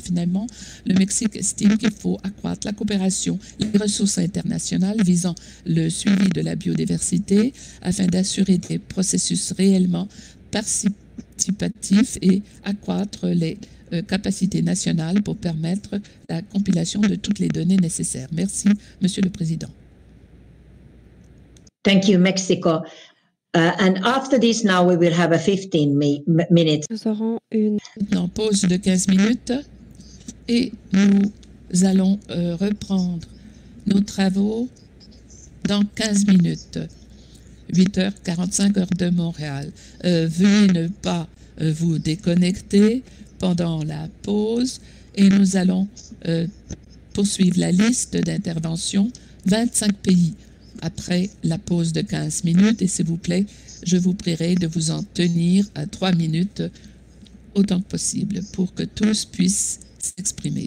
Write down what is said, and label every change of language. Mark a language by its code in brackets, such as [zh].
[fr] Finalement, le Mexique estime qu'il faut accroître la coopération, les ressources internationales visant le suivi de la biodiversité afin d'assurer des processus réellement participatifs et accroître les capacité nationale pour permettre la compilation de toutes les données nécessaires. Merci, Monsieur le Président. [en] Thank you, Mexico. And after this, now we will have a 15 minutes. [fr] Nous aurons une pause de 15 minutes et nous allons reprendre nos travaux dans 15 minutes, 8h45 heure de Montréal. Veuillez ne pas vous déconnecter pendant la pause et nous allons poursuivre la liste d'interventions 25 pays après la pause de 15 minutes et s'il vous plaît, je vous prierai de vous en tenir à 3 minutes autant que possible pour que tous puissent s'exprimer.